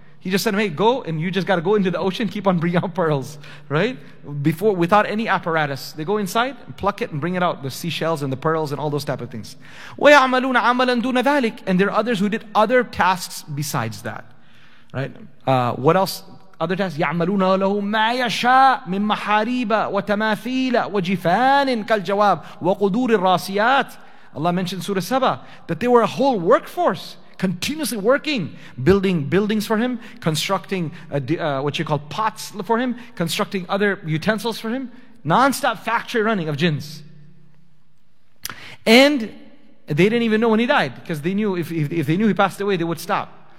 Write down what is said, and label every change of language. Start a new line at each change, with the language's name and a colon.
English: He just said, hey, go, and you just got to go into the ocean, keep on bringing out pearls, right? Before, without any apparatus. They go inside, pluck it, and bring it out, the seashells and the pearls and all those type of things.
Arabic: وَيَعْمَلُونَ عَمَلًا دُونَ ذَلِكَ.
English: And there are others who did other tasks besides that, right? What else? Other tasks,
Arabic: يَعْمَلُونَ لَهُ مَا يَشَاءُ مِنْ مَحَارِيبَ وَتَمَاثِيلَ وَجِفَانٍ كَالْجَوَابِ وَقُدُورِ الرَّاسِيَاتِ.
English: Allah mentioned Surah Saba, that they were a whole workforce, continuously working, building buildings for him, constructing what you call pots for him, constructing other utensils for him, non-stop factory running of jinns. And they didn't even know when he died, because they knew if they knew he passed away, they would stop.